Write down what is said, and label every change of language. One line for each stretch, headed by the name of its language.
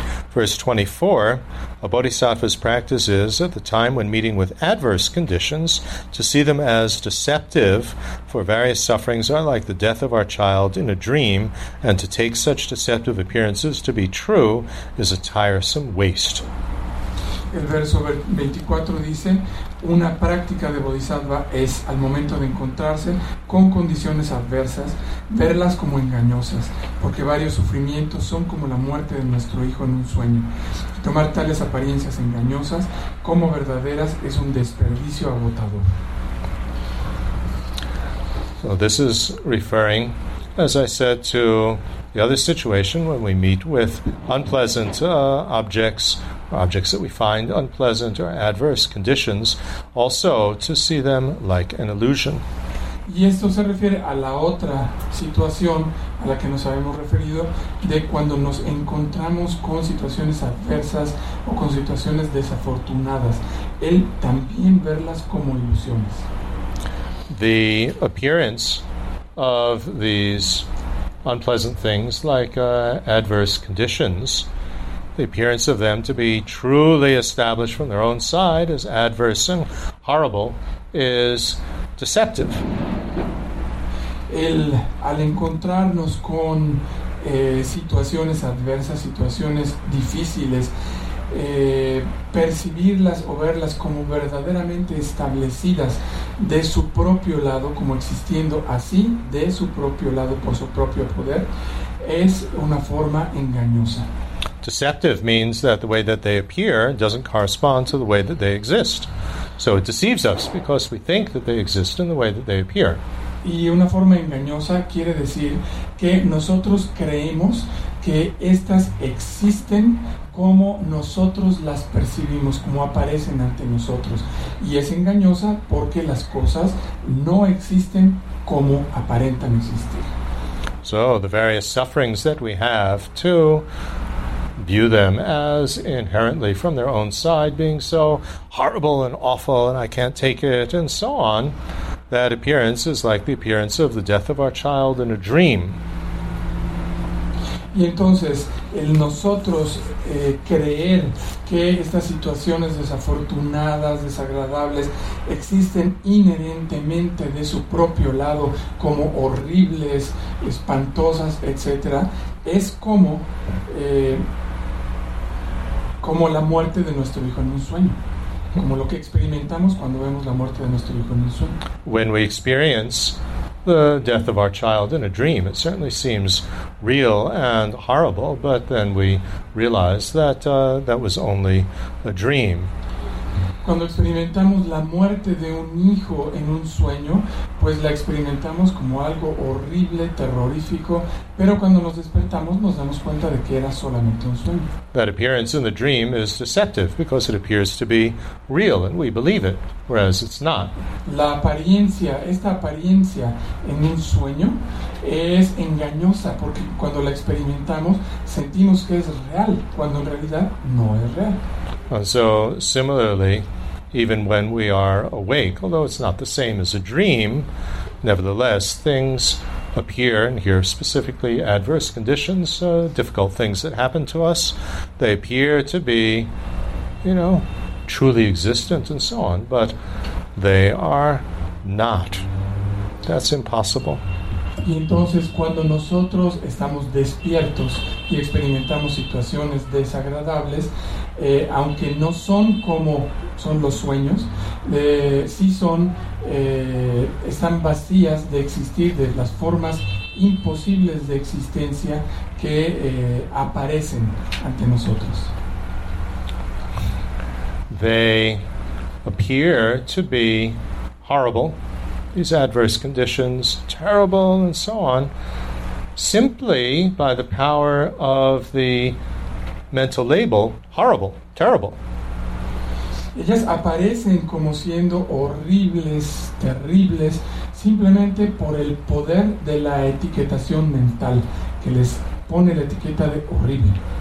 English: Verse 24, a bodhisattva's practice is, at the time when meeting with adverse conditions, to see them as deceptive, for various sufferings are like the death of our child in a dream, and to take such deceptive appearances to be true is a tiresome waste.
Spanish: El verso 24 dice, una práctica de bodhisattva es, al momento de encontrarse con condiciones adversas, verlas como engañosas, porque varios sufrimientos son como la muerte de nuestro hijo en un sueño. Tomar tales apariencias engañosas como verdaderas es un desperdicio agotador.
English: So this is referring, as I said, to the other situation when we meet with unpleasant objects, objects that we find unpleasant or adverse conditions, also to see them like an illusion.
Spanish: Y esto se refiere a la otra situación a la que nos habíamos referido, de cuando nos encontramos con situaciones adversas o con situaciones desafortunadas, el también verlas como ilusiones.
English: The appearance of these unpleasant things, like adverse conditions, the appearance of them to be truly established from their own side as adverse and horrible is deceptive.
Spanish: El al encontrarnos con situaciones adversas, situaciones difíciles, percibirlas o verlas como verdaderamente establecidas de su propio lado, como existiendo así de su propio lado por su propio poder, es una forma engañosa.
English: Deceptive means that the way that they appear doesn't correspond to the way that they exist. So it deceives us because we think that they exist in the way that they appear.
Spanish: Y una forma engañosa quiere decir que nosotros creemos que estas existen como nosotros las percibimos, como aparecen ante nosotros. Y es engañosa porque las cosas no existen como aparentan existir.
English: So the various sufferings that we have to view them as inherently from their own side being so horrible and awful and I can't take it and so on, that appearance is like the appearance of the death of our child in a dream.
Spanish: Y entonces, el nosotros creer que estas situaciones desafortunadas, desagradables, existen inherentemente de su propio lado como horribles, espantosas, etc., es como como la muerte de nuestro hijo en un sueño, como lo que experimentamos cuando vemos la muerte de nuestro hijo en un sueño.
English: When we experience the death of our child in a dream, it certainly seems real and horrible, but then we realize that that was only a dream.
Spanish: Cuando experimentamos la muerte de un hijo en un sueño, pues la experimentamos como algo horrible, terrorífico, pero cuando nos despertamos nos damos cuenta de que era solamente un sueño.
English: That appearance in the dream is deceptive because it appears to be real and we believe it, whereas it's not.
Spanish: La apariencia, esta apariencia en un sueño es engañosa porque cuando la experimentamos sentimos que es real, cuando en realidad no es real.
English: And so, similarly, even when we are awake, although it's not the same as a dream, nevertheless, things appear, and here specifically adverse conditions, difficult things that happen to us, they appear to be, you know, truly existent and so on, but they are not. That's impossible.
Spanish: Y entonces, cuando nosotros estamos despiertos y experimentamos situaciones desagradables, aunque no son como son los sueños, sí son, están vacías de existir, de las formas imposibles de existencia que aparecen ante nosotros.
English: They appear to be horrible, these adverse conditions, terrible, and so on, simply by the power of the mental label, horrible, terrible.
Spanish: Ellas aparecen como siendo horribles, terribles, simplemente por el poder de la etiquetación mental que les pone la etiqueta de horrible.